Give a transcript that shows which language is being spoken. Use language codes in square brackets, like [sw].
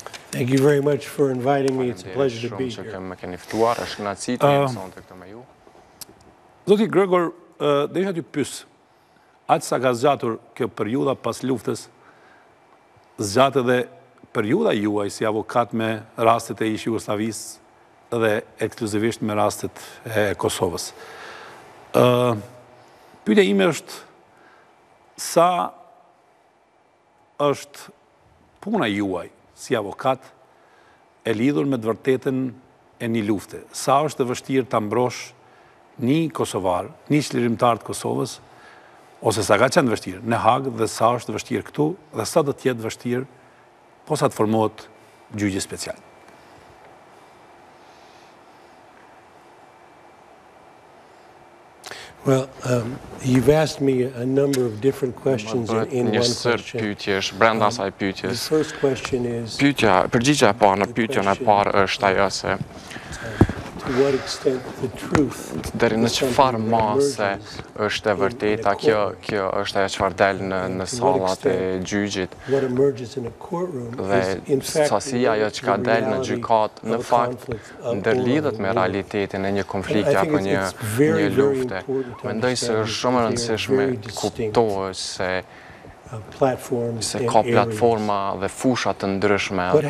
[en] Thank you very much for inviting me. It's a pleasure to be here. [sq] Më keni ftuar, është kënaqësi të jem sonte këtu me ju. Zoti Gregor, deja ti pyes. Atë sa ka zgjatur kjo periudha pas luftës, zgjat edhe periudha juaj si avokat me rastet e ish Jugoslavisë dhe ekskluzivisht me rastet e Kosovës. Pyetja ime është sa është puna juaj si avokat e lidhur me të vërtetën e një lufte? Sa është e vështirë ta mbrosh një kosovar, një qlirimtar të Kosovës, ose sa ka qenë vështirë në Hagë dhe sa është vështirë këtu dhe sa do të jetë vështirë posa të formohet gjyqi special? [en] Well, you've asked me a number of different questions in one question. [sq] Pyetjesh brenda asaj pyetjes. [en] The first question is. [sq] Pyetja, përgjigjja po në pyetjen e parë është ajo se [en] to what extent the truth. [sq] Deri në çfarë mase është e vërteta kjo është ajo çfarë del në sallat e gjyqit. [en] What emerges in a courtroom is in fact [sq] ajo çka del në gjykatë në fakt ndërlidhet me realitetin e një konflikti apo një lufte. Mendoj se është shumë e rëndësishme kuptohet se ka platforma dhe fusha të ndryshme.